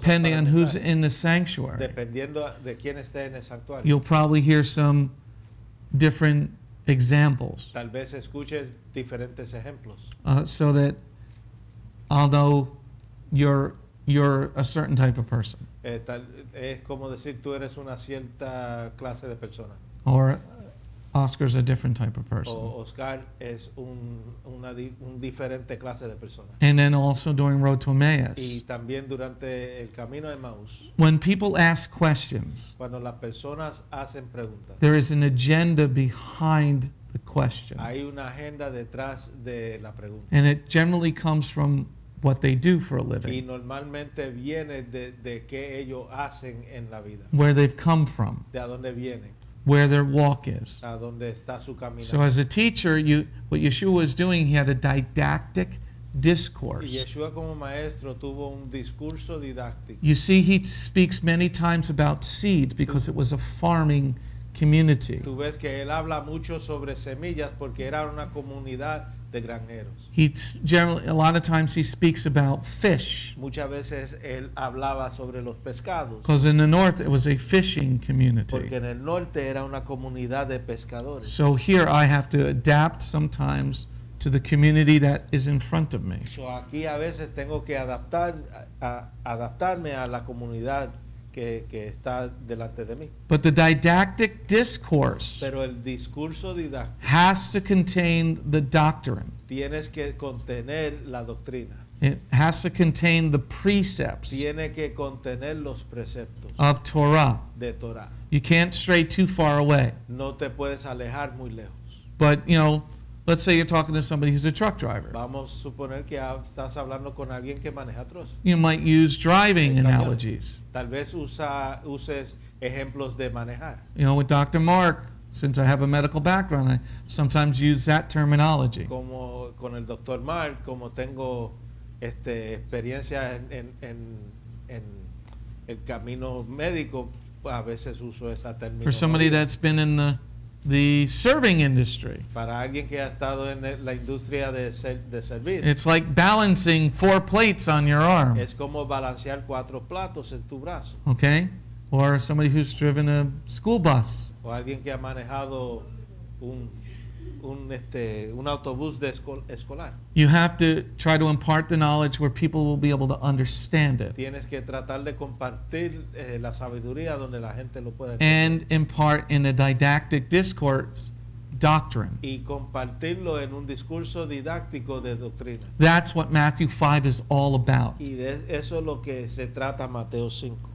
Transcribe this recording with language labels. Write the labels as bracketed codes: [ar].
[en] depending on who's in the sanctuary, [es] dependiendo de quién esté en el santuario, [en] you'll probably hear some different examples. [es] Tal vez escuches diferentes ejemplos. [en] So that although you're a certain type of person, [es] es como decir tú eres una cierta clase de persona. [en] Or Oscar's a different type of person. [es] Oscar es un diferente clase de persona. [en] And then also during Road to Emmaus. [es] Y también durante el camino de Emmaus. [en] When people ask questions, [es] cuando las personas hacen preguntas, [en] there is an agenda behind the question. [es] Hay una agenda detrás de la pregunta. [en] And it generally comes from what they do for a living. [es] Y normalmente viene de qué ellos hacen en la vida. [en] Where they've come from. [es] De a dónde vienen. [en] Where their walk is. [es] A donde está su caminar. [en] So as a teacher, what Yeshua was doing, he had a didactic discourse. [es] Yeshua como maestro tuvo un discurso didáctico. [en] You see, he speaks many times about seeds because it was a farming community. [es] Tú ves que él habla mucho sobre semillas porque era una comunidad de graneros. [en] He generally, a lot of times he speaks about fish. [es] Muchas veces él hablaba sobre los pescados. [en] Because in the north it was a fishing community. [es] Porque en el norte era una comunidad de pescadores. [en] So here I have to adapt sometimes to the community that is in front of me. [es] So aquí a veces tengo que adaptarme a la comunidad que está delante de mí. [en] But the didactic discourse, [es] pero el discurso didáctico, [en] has to contain the doctrine. [es] Tienes que contener la doctrina. [en] It has to contain the precepts. [es] Tiene que contener los preceptos [en] of Torah. [es] De Torah. [en] You can't stray too far away. [es] No te puedes alejar muy lejos. [en] But you know, let's say you're talking to somebody who's a truck driver. [es] Vamos a suponer que estás hablando con alguien que maneja trucks. [en] You might use driving analogies. [es] Tal vez uses ejemplos de manejar. [en] You know, with Dr. Mark, since I have a medical background, I sometimes use that terminology. [es] Como con el Dr. Mark, como tengo experiencia en el camino médico, a veces uso esa terminología. [en] For somebody that's been in the serving industry. [es] Para alguien que ha estado en la industria de servir. [en] It's like balancing four plates on your arm. [es] Es como balancear cuatro platos en tu brazo. [en] Okay? Or somebody who's driven a school bus. [es] O alguien que ha manejado un autobús de escolar. [en] You have to try to impart the knowledge where people will be able to understand it. [es] Tienes que tratar de compartir la sabiduría donde la gente lo pueda [en] entender. And impart in a didactic discourse doctrine. [es] Y compartirlo en un discurso didáctico de doctrina. [en] That's what Matthew 5 is all about. [es] Y de eso es lo que se trata Mateo 5.